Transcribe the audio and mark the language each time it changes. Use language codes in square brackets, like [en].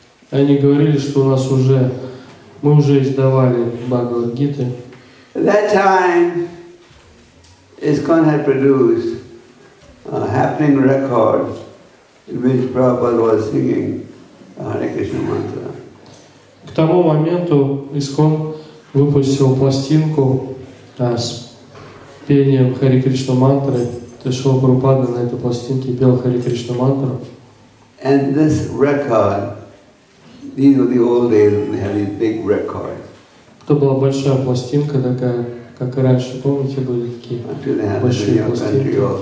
[ru] Они говорили, что мы уже издавали Бхагавад-гиты. [en] At that time, ISKCON had produced a happening record in which Prabhupada was singing Hare Krishna mantra. [ru] К тому моменту ИСКОН выпустил пластинку с пением Хари Кришна мантры. То есть Шрила Прабхупада на этой пластинке пел Хари Кришна мантру. [en] And this record, these were the old days when they had these big records. [ru] Это была большая пластинка такая, как и раньше, помните, были такие большие пластинки.